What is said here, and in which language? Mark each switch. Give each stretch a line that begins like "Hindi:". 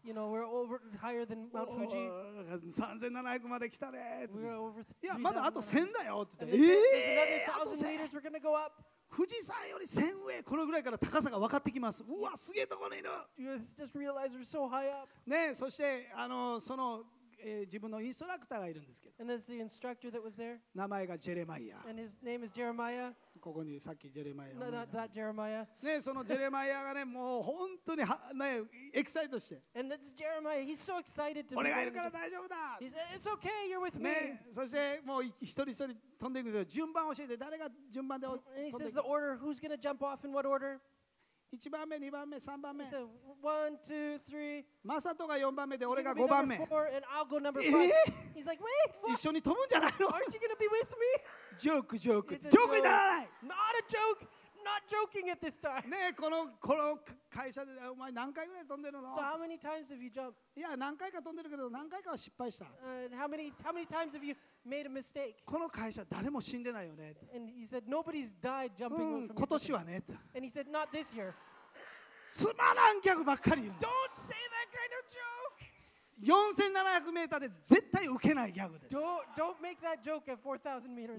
English: You know, we're over higher than Mount Fuji.
Japanese: 3700まで来たね。
English: We're over
Japanese: 3000. いや、まだあと1000だよって。
English: 1000 meters. We're gonna go up.
Japanese: 富士山より1000上、このぐらいから高さが分かってきます。うわ、すげえところにいる。
English: You just realize we're so high up.
Japanese: ね、そしてその自分のインストラクターがいるんですけど。
English: And there's the instructor that was there.
Japanese: 名前がジェレマイア。
English: And his name is Jeremiah.
Japanese: ここにさっきジェレマイア。
English: No, not that Jeremiah.
Japanese: ね、そのジェレマイアがね、もう本当にね、エキサイトして。
English: And that's Jeremiah. He's so excited to be there.
Japanese: 俺がいるから大丈夫だ。
English: He said, "It's okay. You're with me."
Japanese: ね、そしてもう一人一人飛んでいくと順番教えて誰が順番で飛んでいく。
English: And he says the order. Who's gonna jump off in what order?
Japanese: 一番目、二番目、三番目。
English: He said, "One, two, three."
Japanese: マサトが四番目で俺が五番目。
English: Four, and I'll go number five. He's like, "Wait, what?"
Japanese: 一緒に飛ぶんじゃないの？
English: Aren't you gonna be with me?
Japanese: ジョーク、ジョークにならない。
English: Not a joke. Not joking at this time.
Japanese: ねえ、この会社でお前何回ぐらい飛んでるの？
English: So how many times have you jumped?
Japanese: いや、何回か飛んでるけど何回かは失敗した。
English: How many times have you made a mistake?
Japanese: この会社誰も死んでないよね。
English: And he said nobody's died jumping from.
Japanese: 今年はね。
English: And he said not this year.
Japanese: つまらんギャグばっかり言う。
English: Don't say that kind of joke.
Japanese: 4700メーターで絶対受けないギャグです。
English: Don't make that joke at 4000 meters.